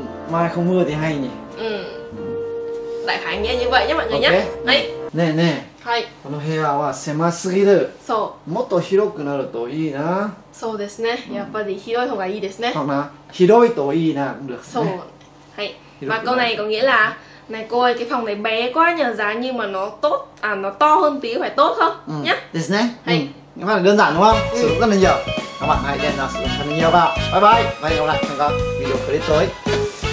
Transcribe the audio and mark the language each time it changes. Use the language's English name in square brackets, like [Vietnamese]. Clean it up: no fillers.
[Vietnamese] Mai không mưa thì hay nhỉ? Đại khái nghĩa như vậy nhé mọi người nhé. Hai. Nè nè. [Japanese] はい。この部屋は狭すぎる。そう。もっと広くなるといいな。そうですね。やっぱり広い方がいいですね。 [Chinese] 好吗？ [Japanese] 広いといいな。そう。はい。 [Vietnamese] まあ、câu này có nghĩa là này cô ơi cái phòng này bé quá nhờ, giá như mà nó tốt à nó to hơn tí phải tốt không? Nhá. [Japanese] ですね。はい。やっぱり [Vietnamese] đơn giản đúng không? Sử dụng rất là nhiều. Các bạn hãy đem ra sử dụng rất là nhiều vào. Bye bye. Và hẹn gặp lại trong các video clip tới.